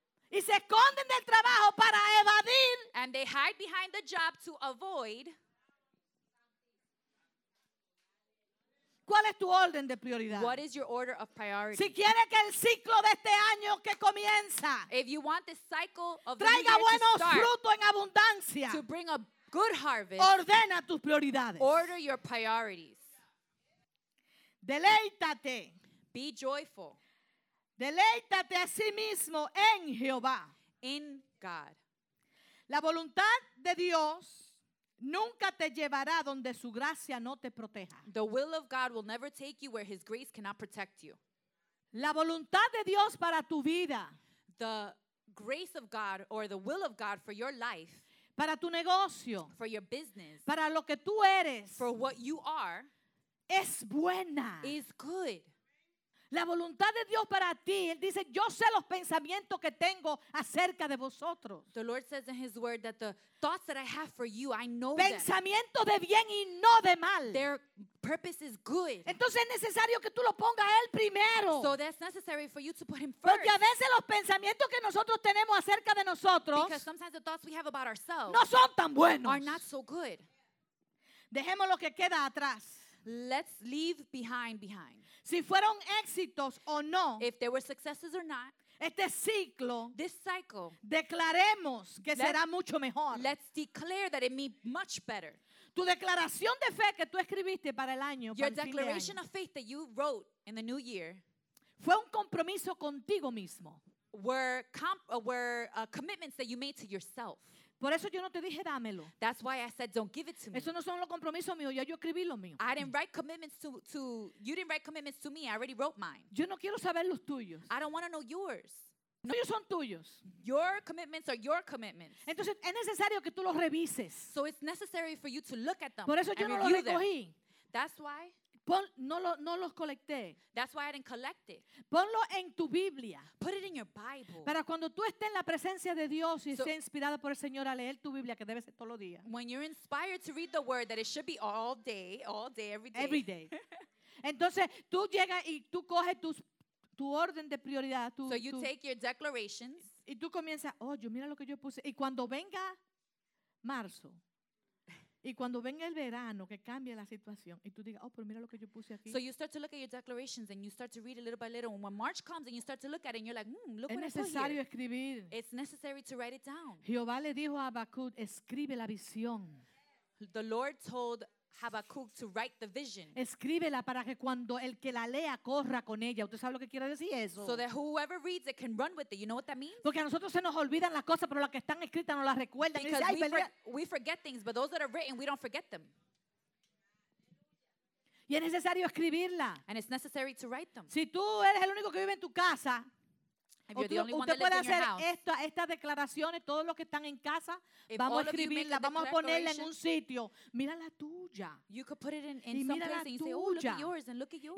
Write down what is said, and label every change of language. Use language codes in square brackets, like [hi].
[es] Y se esconden del trabajo para evadir. [en] And they hide behind the job to avoid. [es] ¿Cuál es tu orden de prioridad? [en] What is your order of priority? [es] Si quiere que el ciclo de este año que comienza. [en] If you want the cycle of [es] traiga [en] the [es] buenos [en] to start, [es] frutos en abundancia. [en] To bring a good harvest. [es] Ordena tus prioridades. [en] Order your priorities. [es] Deleítate. [en] Be joyful. [es] Deleítate a sí mismo en Jehová. [en] In God. [es] La voluntad de Dios nunca te llevará donde su gracia no te proteja. [en] The will of God will never take you where his grace cannot protect you. [es] La voluntad de Dios para tu vida. [en] The grace of God or the will of God for your life. [es] Para tu negocio. [en] For your business. [es] Para lo que tú eres. [en] For what you are. [es] Es buena. [en] Is good. [es] La voluntad de Dios para ti, Él dice, yo sé los pensamientos que tengo acerca de vosotros. [en] The Lord says in His word that the thoughts that I have for you, I know [es] pensamiento [en] them. [es] Pensamientos de bien y no de mal. [en] Their purpose is good. [es] Entonces es necesario que tú lo pongas a Él primero. [en] So that's necessary for you to put Him first. [es] Porque a veces los pensamientos que nosotros tenemos acerca de nosotros. [en] Because sometimes the thoughts we have about ourselves. [es] No son tan buenos. [en] Are not so good. [es] Dejemos lo que queda atrás. [en] Let's leave behind. [es] Si fueron éxitos o no. [en] If they were successes or not. [es] Este ciclo. [en] This cycle. [es] Declaremos que será mucho mejor. [en] Let's declare that it may be much better. [es] Tu declaración de fe que tú escribiste para el año. [en] Your declaration of faith that you wrote in the new year. [es] Fue un compromiso contigo mismo. [en] Were commitments that you made to yourself. [es] Por eso yo no te dije dámelo. [en] That's why I said don't give it to me. [es] Eso no son los compromisos míos, ya yo escribí lo mío. [en] I didn't write commitments to you didn't write commitments to me. I already wrote mine. [es] Yo no quiero saber los tuyos. [en] I don't want to know yours. [es] No, ellos son tuyos. [en] Your commitments are your commitments. [es] Entonces es necesario que tú los revises. [en] So it's necessary for you to look at them. [es] Por eso yo no los recogí. [en] That's why. [es] No los colecté. [en] That's why I didn't collect it. [es] Ponlo en tu Biblia. [en] Put it in your Bible. [es] Para cuando tú estés en la presencia de Dios y estés inspirada por el Señor a leer tu Biblia, que debe ser todos los días. [en] When you're inspired to read the word, that it should be all day, every day. Every day. [es] Entonces tú llegas y tú coges tu orden de prioridad. [en] Take your declarations. [es] Y tú comienzas, oh, yo mira lo que yo puse. Y cuando venga marzo, y cuando venga el verano, que cambie la situación, y tú digas, oh, pero mira lo que yo puse aquí. [en] So you start to look at your declarations and you start to read it little by little. And when March comes and you start to look at it and you're like, look what I put here. [es] Es necesario escribir. [en] It's necessary to write it down. [es] Jehová le dijo a Habacuc, escribe la visión. [en] The Lord told Habacuc to write the vision. [es] Escríbela para que cuando el que la lea corra con ella. ¿Usted sabe lo que quiere decir eso? [en] So that whoever reads it can run with it. You know what that means? [es] Porque a nosotros se nos olvidan las cosas, pero las que están escritas nos las recuerdan. [en] Because we forget things, but those that are written, we don't forget them. [es] Y es necesario escribirla. [en] And it's necessary to write them. [es] Si tú eres el único que vive en tu casa, usted puede hacer estas declaraciones, todos los que están en casa, vamos a escribirla, vamos a ponerla en un sitio. Mira la tuya. [en] You could put it in some place and say, oh, look at yours and look at yours.